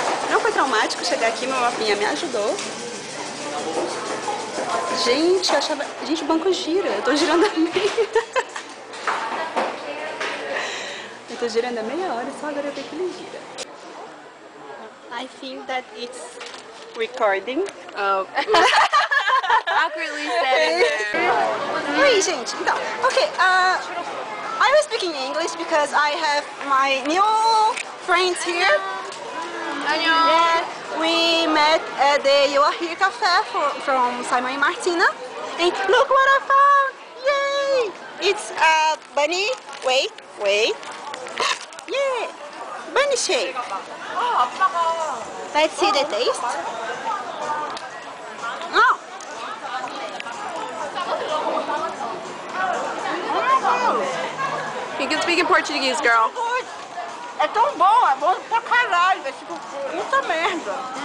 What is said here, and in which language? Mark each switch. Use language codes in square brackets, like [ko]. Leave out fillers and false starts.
[pt] Não foi traumático chegar aqui, meu mapinha me ajudou. Gente, eu achava. Gente, o banco gira. Eu tô girando a meia. Eu tô girando a meia hora e só agora eu vejo que ele gira. [en] I think that it's recording. Awkwardly said. [pt] Oi, gente. Então, ok. [en] I was speaking English because I have my new friends here. Hello. Yeah, we met at the You Are Here Cafe from Simon and Martina. And look what I found! Yay! It's a bunny. Wait. Yeah. Bunny shape. Let's see the taste. Oh. You can speak in Portuguese, girl. [pt] É tão bom, é bom pra caralho, é tipo puta merda.